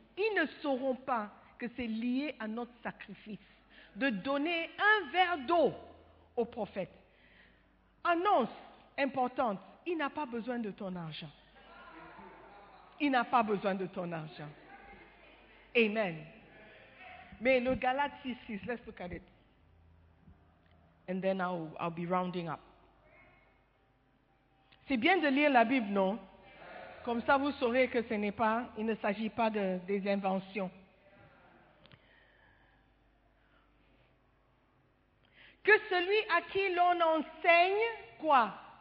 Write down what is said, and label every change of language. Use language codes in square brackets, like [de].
[fr] Ils ne sauront pas que c'est lié à notre sacrifice de donner un verre d'eau au prophète. Annonce importante, il n'a pas besoin de ton argent. Il n'a pas besoin de ton argent. Amen. Mais le Galates 6, [en] let's look at it. And then I'll be rounding up. [fr] C'est bien de lire la Bible, non? Comme ça, vous saurez que ce n'est pas, il ne s'agit pas des inventions. que celui à qui l'on enseigne quoi?